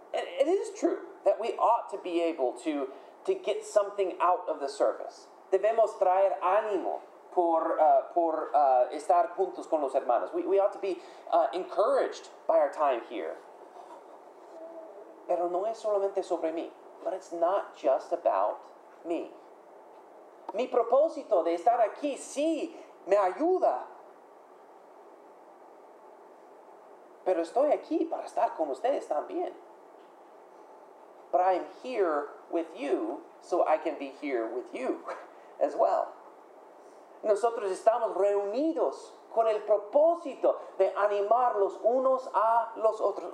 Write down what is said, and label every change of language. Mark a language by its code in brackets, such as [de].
[en] It is true that we ought to be able to get something out of the service. [es] Debemos traer ánimo por estar juntos con los hermanos. [en] We ought to be encouraged by our time here. [es] Pero no es solamente sobre mí. [en] But it's not just about me. [es] Mi propósito de estar aquí, sí, me ayuda. Pero estoy aquí para estar con ustedes también. [en] But I'm here with you so I can be here with you as well. [es] Nosotros estamos reunidos con el propósito de animar los unos a los otros.